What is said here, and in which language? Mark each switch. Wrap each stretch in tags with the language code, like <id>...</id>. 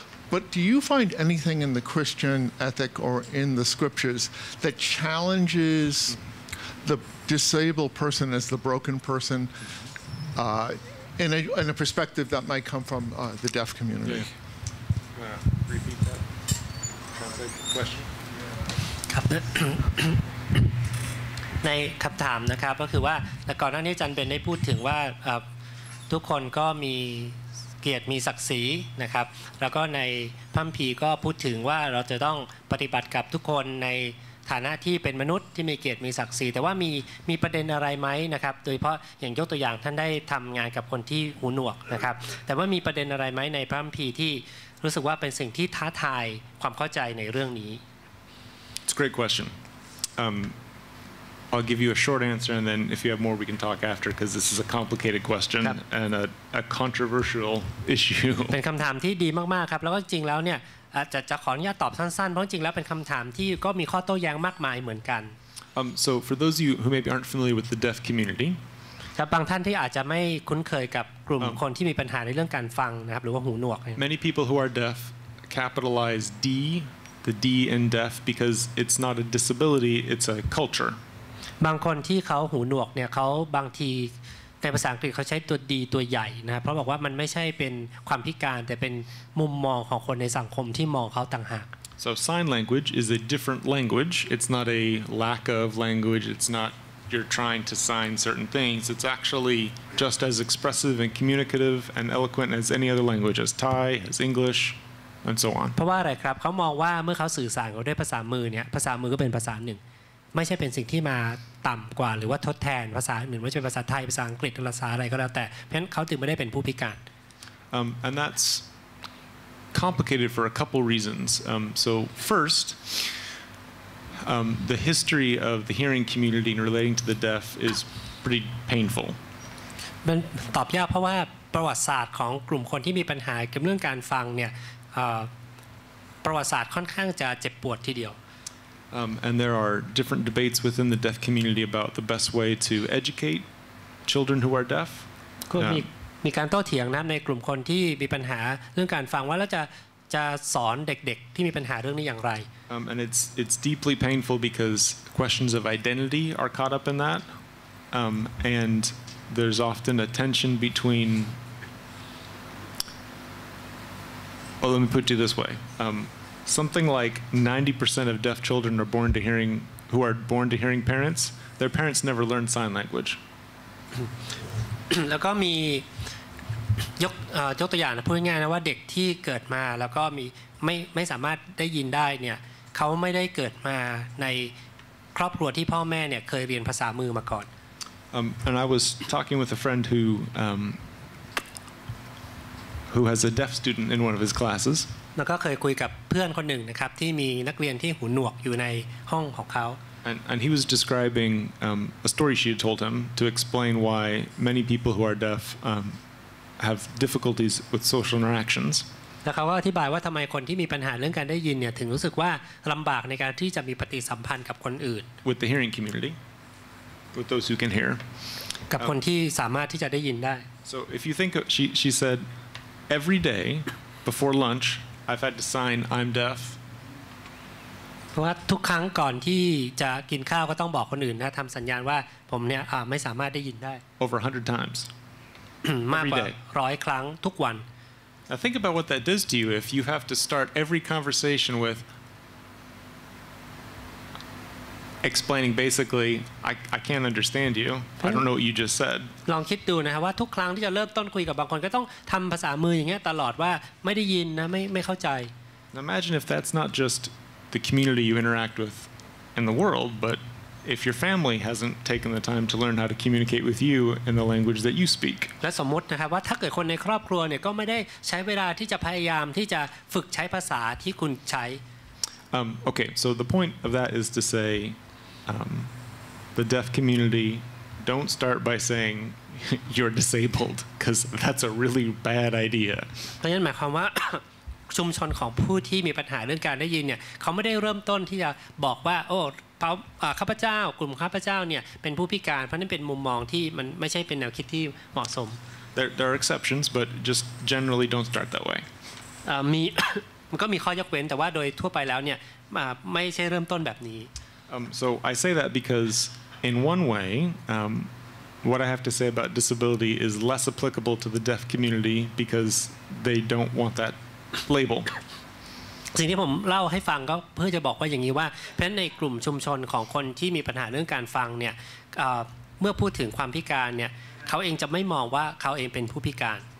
<en>But do you find anything in the Christian ethic or in the scriptures that challenges the disabled person as the broken person in a perspective that might come from the deaf community? Repeat that.</en> <th>ครับในคำถามนะครับก็คือว่าแต่ก่อนหน้านี้จันเป็นได้พูดถึงว่าทุกคนก็มีเกียรติมีศักดิ์ศรีนะครับแล้วก็ในพัมพีก็พูดถึงว่าเราจะต้องปฏิบัติกับทุกคนใน ฐานะที่เป็นมนุษย์ที่มีเกียรติมีศักดิ์ศรีแต่ว่ามีประเด็นอะไรไหมนะครับโดยเฉพาะอย่างยกตัวอย่างท่านได้ทำงานกับคนที่หูหนวกนะครับแต่ว่ามีประเด็นอะไรไหมในพัมพีที่รู้สึกว่าเป็นสิ่งที่ท้าทายความเข้าใจในเรื่องนี้</th> <en>It's a great question. I'll give you a short answer and then if you have more we can talk after because this is a complicated question and a controversial issue.</en> <th>เป็นคำถามที่ดีมากๆครับแล้วก็จริงแล้วเนี่ยจะขออนุญาตตอบสั้นๆเพราะจริงแล้วเป็นคำถามที่ก็มีข้อโต้แย้งมากมายเหมือนกัน</th> <en>So for those of you who maybe aren't familiar with the deaf community</en> <th>ครับบางท่านที่อาจจะไม่คุ้นเคยกับกลุ่มคนที่มีปัญหาในเรื่องการฟังนะครับหรือว่าหูหนวก</th> <en>Many people who are deaf capitalize D the D in deaf because it's not a disability it's a culture</en> <th>บางคนที่เขาหูหนวกเนี่ยเขาบางทีในภาษาอังกฤษเขาใช้ตัว D ตัวใหญ่นะครับเพราะบอกว่ามันไม่ใช่เป็นความพิการแต่เป็นมุมมองของคนในสังคมที่มองเขาต่างหาก</th> <en>So sign language is a different language it's not a lack of language it's notYou're trying to sign certain things. It's actually just as expressive and communicative and eloquent as any other language, as Thai, as English, and so on.</en> <th>เพราะว่าอะไรครับเขามองว่าเมื่อเขาสื่อสารด้วยภาษามือเนี่ยภาษามือก็เป็นภาษาหนึ่งไม่ใช่เป็นสิ่งที่มาต่ำกว่าหรือว่าทดแทนภาษาอื่นไม่ใช่ภาษาไทยภาษาอังกฤษภาษาอะไรก็แล้วแต่เพราะนั้นเขาถึงไม่ได้เป็นผู้พิการ</th> <en>And that's complicated for a couple reasons. So firstthe history of the hearing community in relating to the deaf is pretty painful.</en> <th>มันตอบยากเพราะว่าประวัติศาสตร์ของกลุ่มคนที่มีปัญหาเกี่ยวกับเรื่องการฟังเนี่ยประวัติศาสตร์ค่อนข้างจะเจ็บปวดทีเดียว</th> <en>And there are different debates within the deaf community about the best way to educate children who are deaf.</en> <th>ก็มีการโต้เถียงนะในกลุ่มคนที่มีปัญหาเรื่องการฟังว่าแล้วจะสอนเด็กๆที่มีปัญหาเรื่องนี้อย่างไร</th> <en>and it's deeply painful because questions of identity are caught up in that and there's often a tension between well, let me put it this way something like 90% of deaf children are born to hearing, who are born to hearing parents, their parents never learned sign language.</en> <th>แล้วก็มียกยกตัวอย่างนะพูดง่ายๆนะว่าเด็กที่เกิดมาแล้วก็มีไม่สามารถได้ยินได้เนี่ยเขาไม่ได้เกิดมาในครอบครัวที่พ่อแม่เนี่ยเคยเรียนภาษามือมาก่อน</th> <en>And I was talking with a friend who has a deaf student in one of his classes</en> <th>แล้วก็เคยคุยกับเพื่อนคนหนึ่งนะครับที่มีนักเรียนที่หูหนวกอยู่ในห้องของเขา</th> <en>And he was describing a story she had told him to explain why many people who are deaf have difficulties with social interactions.</en> <th>แล้วเขาก็อธิบายว่าทำไมคนที่มีปัญหาเรื่องการได้ยินเนี่ยถึงรู้สึกว่าลำบากในการที่จะมีปฏิสัมพันธ์กับคนอื่น</th> <en>With the hearing community, with those who can hear.</en> <th>กับคนที่สามารถที่จะได้ยินได้</th> <en>So if you think of, she said, every day before lunch, I've had to sign I'm deaf.</en> <th>เพราะว่าทุกครั้งก่อนที่จะกินข้าวก็ต้องบอกคนอื่นนะทำสัญญาณว่าผมเนี่ยไม่สามารถได้ยินได้</th> <en>Over 100 times</en> <th>มากกว่า100ครั้งทุกวัน</th> <en>Now think about what that does to you if you have to start every conversation with explaining basically I can't understand you I don't know what you just said</en> <th>ลองคิดดูนะครับว่าทุกครั้งที่จะเริ่มต้นคุยกับบางคนก็ต้องทำภาษามืออย่างเงี้ยตลอดว่าไม่ได้ยินนะไม่เข้าใจ</th> <en>Imagine if that's not justthe community you interact with in the world, but if your family hasn't taken the time to learn how to communicate with you in the language that you speak.</en> <th>และสมมตินะครับว่าถ้าเกิดคนในครอบครัวเนี่ยก็ไม่ได้ใช้เวลาที่จะพยายามที่จะฝึกใช้ภาษาที่คุณใช้</th> <en>Okay, so the point of that is to say the deaf community don't start by saying you're disabled, because that's a really bad idea.</en> <th>เพราะนั้นหมายความว่าชุมชนของผู้ที่มีปัญหาเรื่องการได้ยินเนี่ยเขาไม่ได้เริ่มต้นที่จะบอกว่าโอ้ข้าพเจ้ากลุ่มข้าพเจ้าเนี่ยเป็นผู้พิการเพราะนั่นเป็นมุมมองที่มันไม่ใช่เป็นแนวคิดที่เหมาะสม</th> <en>There are exceptions but just generally don't start that way</en> <th>มี มันก็มีข้อยกเว้นแต่ว่าโดยทั่วไปแล้วเนี่ยไม่ใช่เริ่มต้นแบบนี้</th> <en>So I say that because in one way what I have to say about disability is less applicable to the deaf community because they don't want thatlabel</en> <th>สิ่งที่ผมเล่าให้ฟังก็เพื่อจะบอกว่าอย่างนี้ว่าเพราะในกลุ่มชุมชนของคนที่มีปัญหาเรื่องการฟังเนี่ยเมื่อพูดถึงความพิการเนี่ยเขาเองจะไม่มองว่าเขาเองเป็นผู้พิการ</th>